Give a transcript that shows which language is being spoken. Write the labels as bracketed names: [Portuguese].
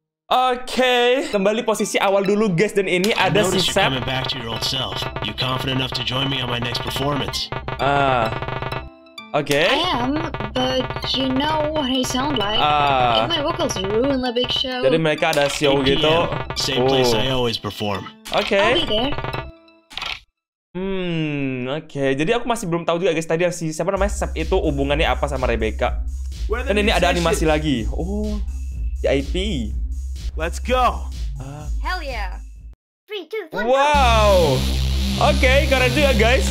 [Indonesian] Okay. Kembali posisi awal dulu guys, dan ini ada si Seb. [English] Coming back to your old self. You confident enough to join me on my next performance? Okay. I am, but you know what I sound like. My vocals ruin the big show. [Indonesian] Jadi mereka ada show gitu. [English] Same place I always perform. Okay. I'll be there. Hmm, Oke, okay. [Indonesian] Jadi aku masih belum tahu juga guys tadi si siapa namanya Sep itu hubungannya apa sama Rebecca. Dan ini ada animasi shit lagi. Oh, IP. [English] Let's go. Hell yeah. 3, 2, 1. [Indonesian] Wow. Oke, okay, keren juga guys.